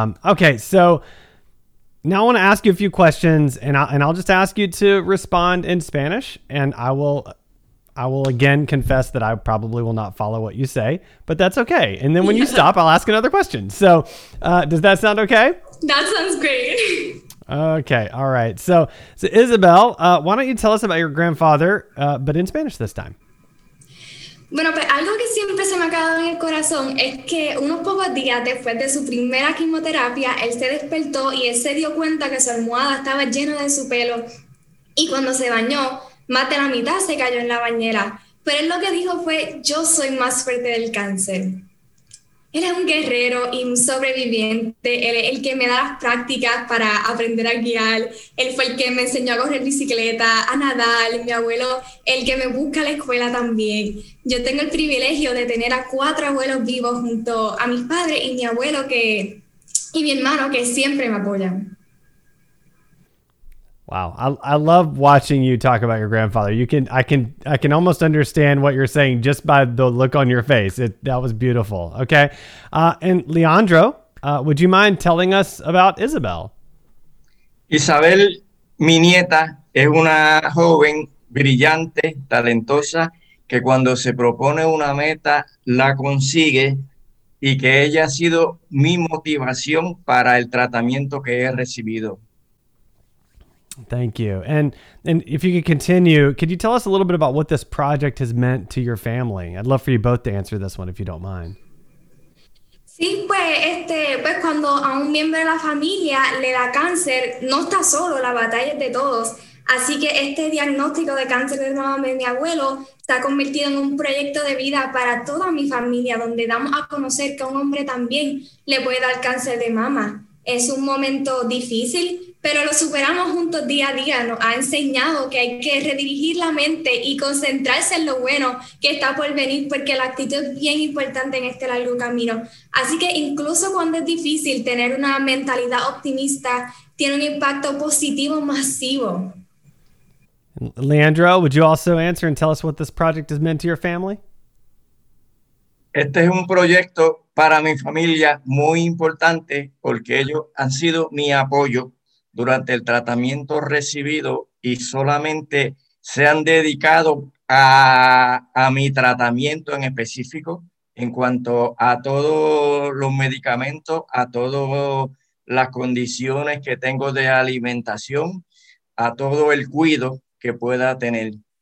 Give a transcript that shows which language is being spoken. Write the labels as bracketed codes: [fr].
[en] Okay, so now I want to ask you a few questions, and I'll just ask you to respond in Spanish, and I will again confess that I probably will not follow what you say, but that's okay. And then when you stop, I'll ask another question. So does that sound okay? That sounds great. Okay. All right. So Isabel, why don't you tell us about your grandfather, but in Spanish this time? [es] Bueno, pues algo que siempre se me ha quedado en el corazón es que unos pocos días después de su primera quimioterapia, él se despertó y él se dio cuenta que su almohada estaba llena de su pelo. Y cuando se bañó, más de la mitad se cayó en la bañera. Pero él lo que dijo fue, yo soy más fuerte del cáncer. Él es un guerrero y un sobreviviente. Él es el que me da las prácticas para aprender a guiar. Él fue el que me enseñó a correr bicicleta, a nadar. Mi abuelo, el que me busca a la escuela también. Yo tengo el privilegio de tener a cuatro abuelos vivos junto a mis padres y mi abuelo y mi hermano que siempre me apoyan. [en] Wow. I love watching you talk about your grandfather. I can almost understand what you're saying just by the look on your face. That was beautiful. Okay. And Leandro, would you mind telling us about Isabel? [es] Isabel, mi nieta, es una joven brillante, talentosa, que cuando se propone una meta, la consigue, y que ella ha sido mi motivación para el tratamiento que he recibido. [en] Thank you. And if you could continue, could you tell us a little bit about what this project has meant to your family? I'd love for you both to answer this one, if you don't mind. [es] Sí, pues cuando a un miembro de la familia le da cáncer, no está solo, la batalla es de todos. Así que este diagnóstico de cáncer de mama de mi abuelo se ha convertido en un proyecto de vida para toda mi familia, donde damos a conocer que a un hombre también le puede dar cáncer de mama. Es un momento difícil, pero lo superamos juntos día a día. Nos ha enseñado que hay que redirigir la mente y concentrarse en lo bueno que está por venir, porque la actitud es bien importante en este largo camino. Así que incluso cuando es difícil, tener una mentalidad optimista tiene un impacto positivo masivo. [en] Leandro, would you also answer and tell us what this project has meant to your family? [es] Este es un proyecto para mi familia muy importante porque ellos han sido mi apoyo durante el tratamiento recibido y solamente se han dedicado a mi tratamiento en específico en cuanto a todos los medicamentos, a todas las condiciones que tengo de alimentación, a todo el cuidado que pueda tener.